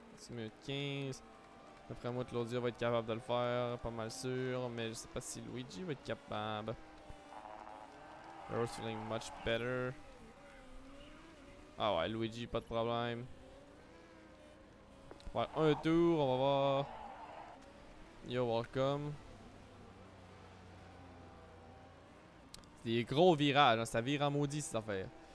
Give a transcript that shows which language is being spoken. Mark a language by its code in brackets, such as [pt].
[fr] Minute 15. D'après moi, Claudia va être capable de le faire, pas mal sûr, mais je sais pas si Luigi va être capable. [en] Rose feeling much better. [fr] Ah ouais, Luigi, pas de problème. On va faire un tour, on va voir. [en] You're welcome. [fr] C'est des gros virages, hein. Ça vire en maudit cette affaire.